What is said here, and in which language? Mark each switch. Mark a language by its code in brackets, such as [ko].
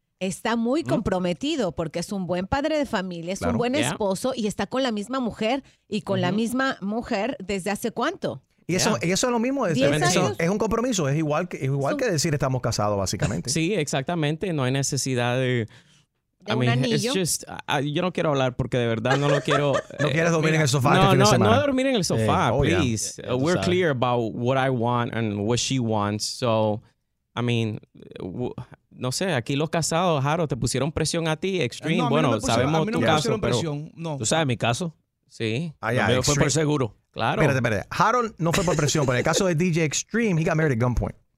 [es] Está muy comprometido porque es un buen padre de familia, es un buen esposo y está con la misma mujer y con la misma mujer desde hace cuánto. Y eso es lo mismo, es un compromiso, es igual que decir estamos casados básicamente. Sí, exactamente, no hay necesidad de... [en] I mean, it's [es] just, yo no quiero hablar porque de verdad no lo quiero. No quieres dormir en el sofá. No, dormir en el sofá, please. Yeah. [en] We're clear about what I want and what she wants. So, I mean, [es] no sé, aquí los casados, Jaro, te pusieron presión a ti, extreme. Sabemos tu caso. No, presión, no. ¿Tú sabes mi caso? Sí. Yo fue por seguro. Claro. Espérate. Jaro no fue por presión, pero en el caso de DJ Extreme, [en] he got married at gunpoint.